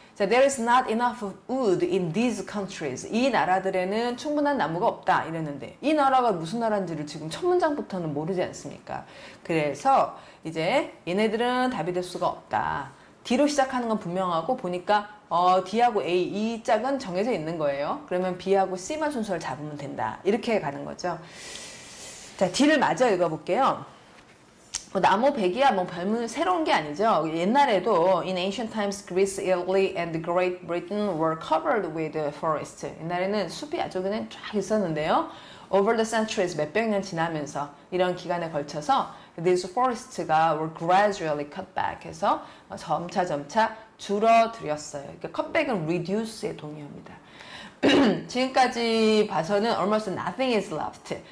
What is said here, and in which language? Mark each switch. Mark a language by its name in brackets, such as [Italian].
[English] There is not enough wood in these countries. [Korean] 이 나라들에는 충분한 나무가 없다. 이랬는데, 이 나라가 무슨 나라인지를 지금 첫 문장부터는 모르지 않습니까? 그래서 이제 얘네들은 답이 될 수가 없다. D로 시작하는 건 분명하고 보니까 D하고 A, 이 짝은 정해져 있는 거예요. 그러면 B하고 C만 순서를 잡으면 된다. 이렇게 가는 거죠. 자, D를 마저 읽어볼게요. 나무 백이야 뭐 별문 새로운 게 아니죠. 옛날에도 [English] in ancient times Greece, Italy and Great Britain were covered with forest. [Korean] 옛날에는 숲이 아주 그냥 쫙 있었는데요. [English] Over the centuries [Korean] 몇백 년 지나면서 이런 기간에 걸쳐서 [English] these forests [Korean] 가 [English] were gradually cut back [Korean] 해서 점차점차 줄어들였어요. 그러니까 cut back은 reduce에 동의합니다. 지금까지 봐서는 [English] almost nothing is left.